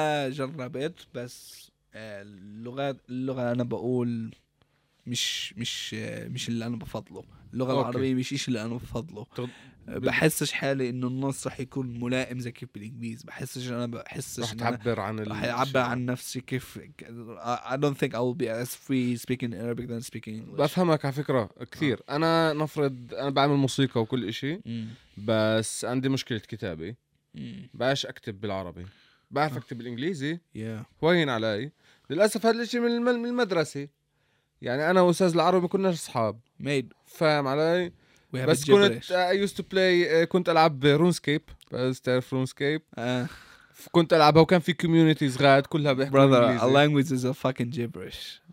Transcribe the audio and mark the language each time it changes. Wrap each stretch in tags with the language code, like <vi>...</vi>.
<ar>جربت بس اللغة أنا بقول مش مش مش اللي أنا بفضله. اللغة العربية مش إيش اللي أنا بفضله. بحسش حالي إنه النص رح يكون ملائم زي كيف بالإنجليز. بحسش أنا بحسش رح تعبر عن رح أعبر عن نفسي كيف.</ar> <en>I don't think I will be as free speaking Arabic than speaking English.</en> <ar>بفهمك على فكرة كثير. أنا نفرض أنا بعمل موسيقى وكل إشي بس عندي مشكلة كتابة. بعش أكتب بالعربي. بعرف أكتب بالإنجليزي. هوين علي للأسف هذا الإشي من المدرسة. يعني أنا وأستاذ العربي كنا أصحاب. فاهم علي. بس كنت</ar> <en>used to play</en> <ar>كنت ألعب برونسكيب. بس تعرف رونسكيب؟ كنت ألعبها وكان في كوميونيتيز غاد كلها بحكي.</ar> <en>Brother, a language is a fucking gibberish.</en>